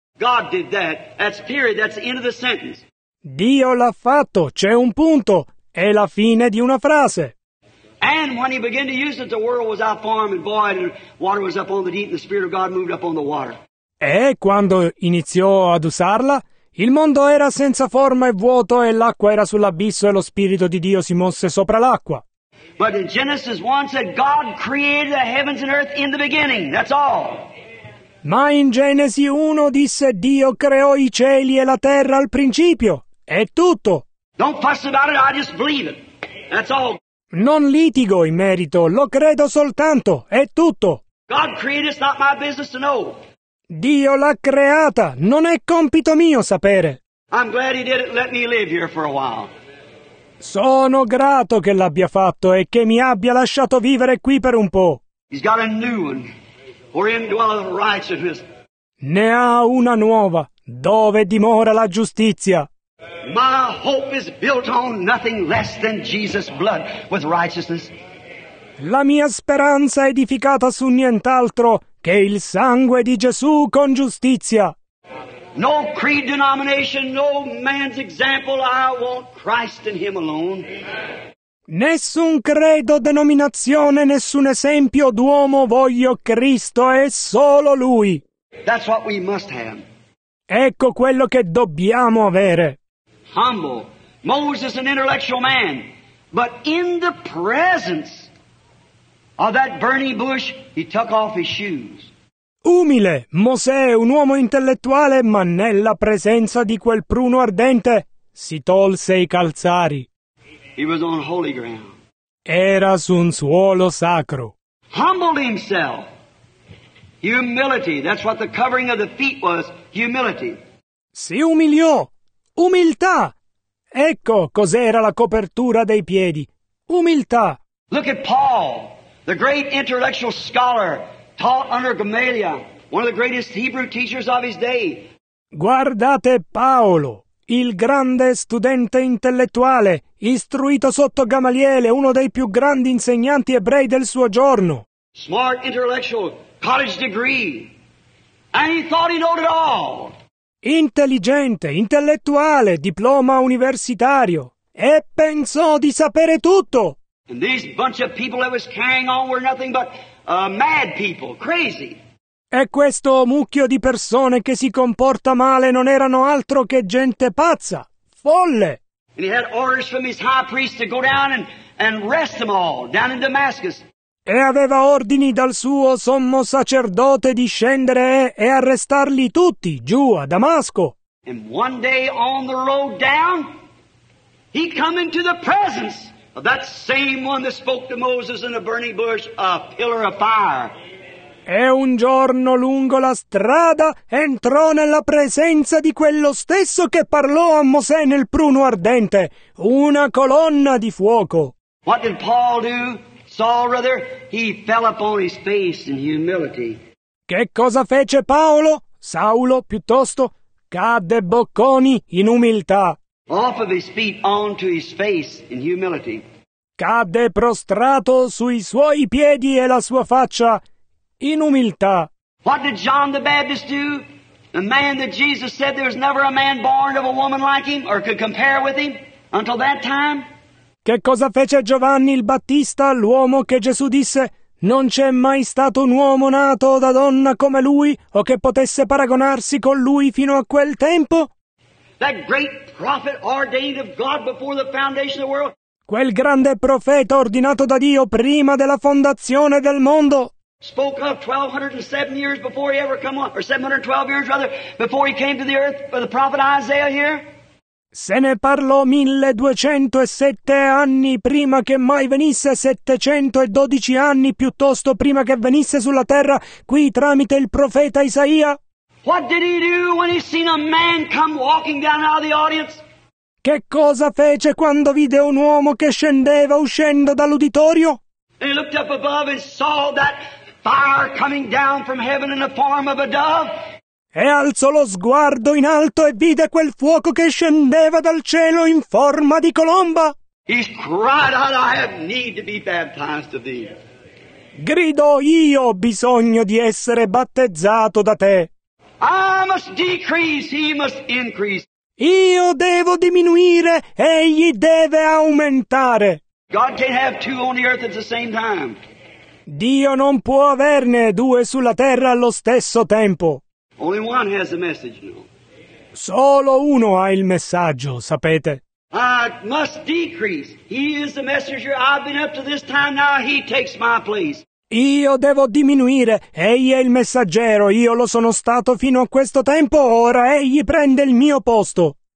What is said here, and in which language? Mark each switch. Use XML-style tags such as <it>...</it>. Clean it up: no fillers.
<en>God did that. That's period. That's the end of the sentence.</en> <it>Dio l'ha fatto. C'è un punto. È la fine di una frase.</it> <en>And when he began to use it, the world was out form and void, and water was up on the deep, and the Spirit of God moved up on the water.</en> <it>E quando iniziò ad usarla, il mondo era senza forma e vuoto, e l'acqua era sull'abisso, e lo Spirito di Dio si mosse sopra l'acqua.</it> <en>But in Genesis 1 said God created the heavens and earth in the beginning. That's all.</en> <it>Ma in Genesi 1 disse Dio creò i cieli e la terra al principio. È tutto.</it> <en>Don't fuss about it, I just believe it. That's all.</en> <it>Non litigo in merito, lo credo soltanto. È tutto.</it> <en>God created, it's not my business to know.</en> <it>Dio l'ha creata, non è compito mio sapere.</it> <en>I'm glad he did it, let me live here for a while.</en> <it>Sono grato che l'abbia fatto e che mi abbia lasciato vivere qui per un po'.</it> <en>He's got a new one. Wherein dwelleth righteousness.</en> <it>Ne ha una nuova, dove dimora la giustizia.</it> <en>My hope is built on nothing less than Jesus' blood with righteousness.</en> <it>La mia speranza è edificata su nient'altro che il sangue di Gesù con giustizia.</it> <en>No creed denomination, no man's example, I want Christ and him alone.</en> <it>Nessun credo, denominazione, nessun esempio d'uomo, voglio Cristo e solo Lui.</it> <en>That's what we must have.</en> <it>Ecco quello che dobbiamo avere.</it> <en>Humble. Moses an intellectual man. But in the presence of that burning bush, he took off his shoes.</en> <it>Umile. Mosè è un uomo intellettuale, ma nella presenza di quel pruno ardente si tolse i calzari.</it> <en>He was on holy ground.</en> <it>Era su un suolo sacro.</it> <en>Humbled himself. Humility, that's what the covering of the feet was, humility.</en> <it>Si umiliò. Umiltà. Ecco cos'era la copertura dei piedi. Umiltà.</it> <en>Look at Paul, the great intellectual scholar, taught under Gamaliel, one of the greatest Hebrew teachers of his day.</en> <it>Guardate Paolo, il grande studente intellettuale, istruito sotto Gamaliele, uno dei più grandi insegnanti ebrei del suo giorno.</it> <en>Smart intellectual, college degree. And he thought he knew it all.</en> <it>Intelligente, intellettuale, diploma universitario. E pensò di sapere tutto.</it> <en>And these bunch of people that was carrying on were nothing but mad people, crazy.</en> <it>E questo mucchio di persone che si comporta male non erano altro che gente pazza, folle.</it> <en>And he had orders from his high priest to go down and arrest them all, down in Damascus.</en> <it>E aveva ordini dal suo sommo sacerdote di scendere e arrestarli tutti, giù a Damasco.</it> <en>And one day on the road down, he come into the presence of that same one that spoke to Moses in the burning bush, a pillar of fire.</en> <it>E un giorno lungo la strada entrò nella presenza di quello stesso che parlò a Mosè nel pruno ardente, una colonna di fuoco.</it> <en>What did Paul do? Saul, rather, he fell upon his face in humility.</en> <it>Che cosa fece Paolo? Saulo, piuttosto, cadde bocconi in umiltà.</it> <en>Off of his feet onto his face in humility.</en> <it>Cadde prostrato sui suoi piedi e la sua faccia in umiltà.</it> <en>What did John the Baptist do? The man that Jesus said there was never a man born of a woman like him or could compare with him until that time?</en> <it>Che cosa fece Giovanni il Battista, l'uomo che Gesù disse non c'è mai stato un uomo nato da donna come lui o che potesse paragonarsi con lui fino a quel tempo?</it> <en>That great prophet ordained of God before the foundation of the world.</en> <it>Quel grande profeta ordinato da Dio prima della fondazione del mondo.</it> <en>Spoke of 1207 years before he ever come on, or 712 years rather, before he came to the earth for the prophet Isaiah here.</en> <it>Se ne parlò 1207 anni prima che mai venisse, 712 anni piuttosto prima che venisse sulla terra qui tramite il profeta Isaia.</it> <en>What did he do when he seen a man come walking down out of the audience?</en> <it>Che cosa fece quando vide un uomo che scendeva uscendo dall'uditorio?</it> <en>And he looked up above and saw that fire coming down from heaven in the form of a dove.</en> <it>E alzò lo sguardo in alto e vide quel fuoco che scendeva dal cielo in forma di colomba.</it> <en>He cried out, I have need to be baptized of thee.</en> <it>Gridò, io ho bisogno di essere battezzato da te.</it> <en>I must decrease, he must increase.</en> <it>Io devo diminuire, egli deve aumentare.</it> <en>God can't have two on the earth at the same time.</en> <it>Dio non può averne due sulla terra allo stesso tempo.</it> <en>Only one has the message, no?</en> <it>Solo uno ha il messaggio, sapete.</it> <en>I must decrease. He is the messenger. I've been up to this time, now he takes my place.</en> <it>Io devo diminuire, egli è il messaggero, io lo sono stato fino a questo tempo, ora egli prende il mio posto.</it>